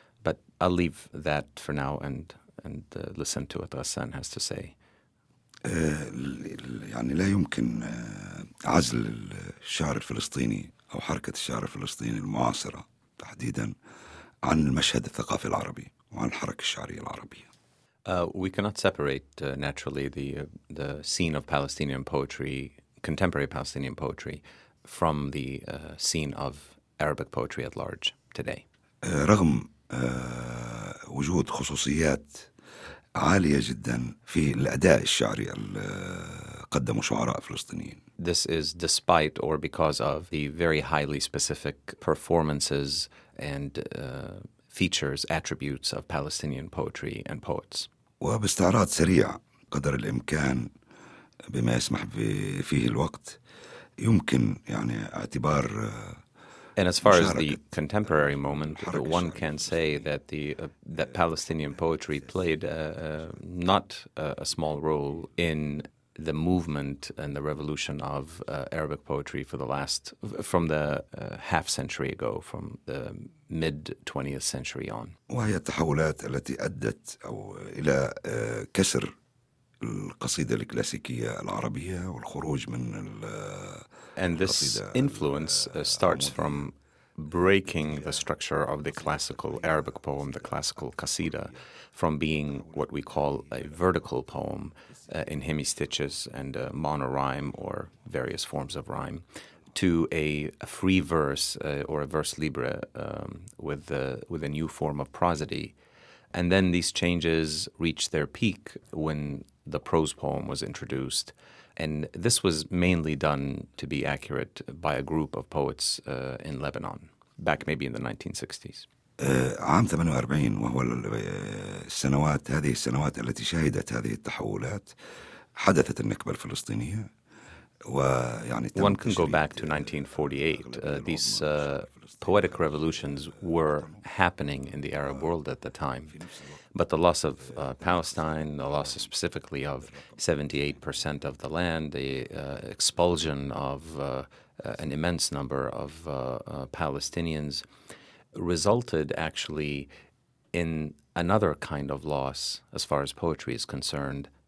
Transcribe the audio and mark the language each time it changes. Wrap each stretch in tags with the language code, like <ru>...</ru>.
<en>But I'll leave that for now and listen to what Ghassan has to say.</en> <ar>يعني لا يمكن عزل الشعر الفلسطيني أو حركة الشعر الفلسطيني المعاصرة تحديدا عن المشهد الثقافي العربي وعن الحركة الشعرية العربية.</ar> <en>We cannot separate naturally the scene of Palestinian poetry, contemporary Palestinian poetry, from the scene of Arabic poetry at large today.</en> <ar>رغم وجود خصوصيات عالية جدا في الأداء الشعري قدموا شعراء فلسطينيين.</ar> <en>This is despite or because of the very highly specific performances and features, attributes of Palestinian poetry and poets.</en> <ar>وباستعراض سريع قدر الإمكان بما يسمح فيه الوقت يمكن يعني اعتبار.</ar> <en>And as far as the contemporary moment, one can say that that Palestinian poetry played not a small role in the movement and the revolution of Arabic poetry from the half century ago, from the mid 20th century on.</en> <ar>وهي التحولات التي أدت أو إلى كسر القصيدة الكلاسيكية العربية والخروج من</ar> <en>And this influence starts from breaking the structure of the classical Arabic poem, the classical qasida, from being what we call a vertical poem in hemistiches and monorhyme or various forms of rhyme, to a free verse or a verse libre with a new form of prosody. And then these changes reached their peak when the prose poem was introduced. And this was mainly done, to be accurate, by a group of poets in Lebanon, back maybe in the 1960s.</en> <ar>عام 48 وهو السنوات هذه السنوات التي شهدت هذه التحولات حدثت النكبة الفلسطينية.</ar> <en>One can go back to 1948. These poetic revolutions were happening in the Arab world at the time. But the loss of Palestine, the loss specifically of 78% of the land, the expulsion of an immense number of Palestinians resulted actually in another kind of loss as far as poetry is concerned.</en>